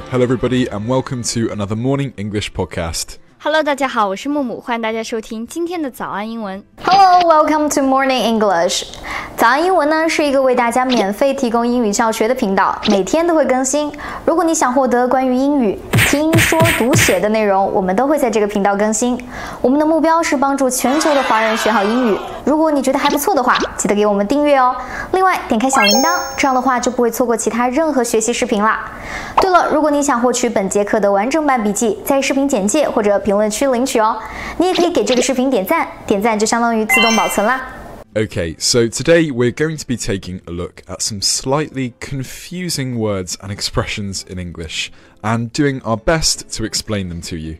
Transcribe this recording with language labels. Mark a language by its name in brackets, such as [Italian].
[English] Hello everybody and welcome to another Morning English Podcast. [Chinese] Hello, 大家好，我是木木，欢迎大家收听今天的早安英文。 [English] Hello, welcome to Morning English. [Chinese] 早安英文呢，是一个为大家免费提供英语教学的频道，每天都会更新。如果你想获得关于英语听说读写的内容，我们都会在这个频道更新。我们的目标是帮助全球的华人学好英语。如果你觉得还不错的话，记得给我们订阅哦。另外，点开小铃铛，这样的话就不会错过其他任何学习视频啦。对了，如果你想获取本节课的完整版笔记，在视频简介或者评论区领取哦。你也可以给这个视频点赞，点赞就相当于自动保存啦。 [English] Okay, so today we're going to be taking a look at some slightly confusing words and expressions in English, and doing our best to explain them to you.